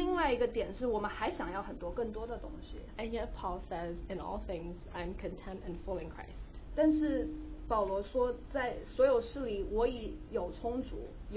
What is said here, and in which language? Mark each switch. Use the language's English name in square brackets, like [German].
[Chinese] 但是另外一个点是我们还想要很多更多的东西。 [English] And yet Paul says, in all things, I'm content and full in Christ. [Chinese] 但是 保罗说在所有事里我已有充足,